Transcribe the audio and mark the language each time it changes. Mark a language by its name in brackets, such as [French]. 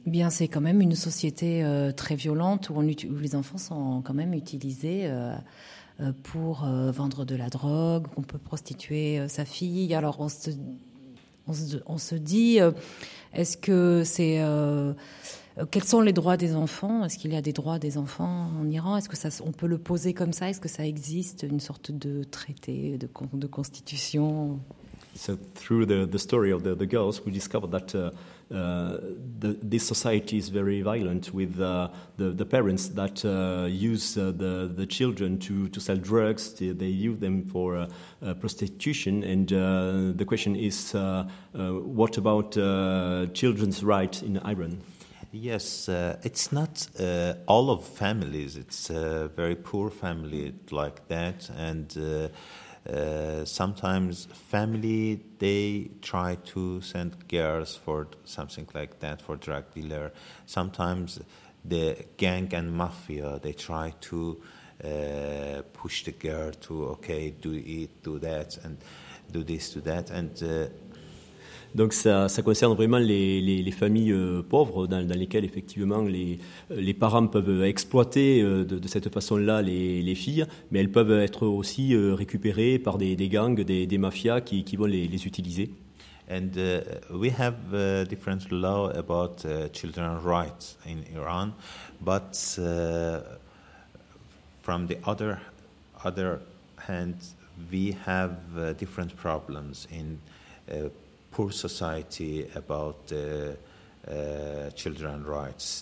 [French] C'est quand même une société très violente où les enfants sont quand même utilisés pour vendre de la drogue, qu'on peut prostituer sa fille. Alors on se dit, est-ce que c'est quels sont les droits des enfants? Est-ce qu'il y a des droits des enfants en Iran? Est-ce que ça, on peut le poser comme ça? Est-ce que ça existe, une sorte de traité de constitution? [English] So through the story of the girls, we discovered that this society is very violent with the parents that use the children to sell drugs. They use them for prostitution. And the question is, what about children's rights in Iran? Yes, it's not all of families. It's a very poor family like that. And sometimes family, they try to send girls for something like that, for drug dealer. Sometimes the gang and mafia, they try to push the girl to, okay, do it, do that, and do this, do that. And [French] donc ça concerne vraiment les familles pauvres dans lesquelles effectivement les parents peuvent exploiter de cette façon-là les filles, mais elles peuvent être aussi récupérées par des gangs, des mafias qui vont les utiliser. [English] And we have different law about children's rights in Iran, but from the other hand, we have different problems in poor society about children's rights.